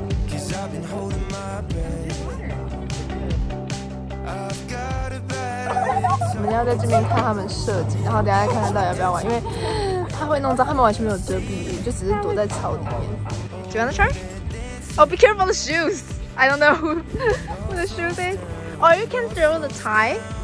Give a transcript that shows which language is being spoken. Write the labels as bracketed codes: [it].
[en] Cause I've been holding my breath. I've got a bad idea. [zh] 我们要在这边看他们设计，然后等一下看看到底要不要玩，因为他会弄脏，他们完全没有遮蔽物，就只是躲在草里面。 [en] Do you want to try? Oh, be careful the shoes. I don't know who the shoes is. Oh, you can throw the tie.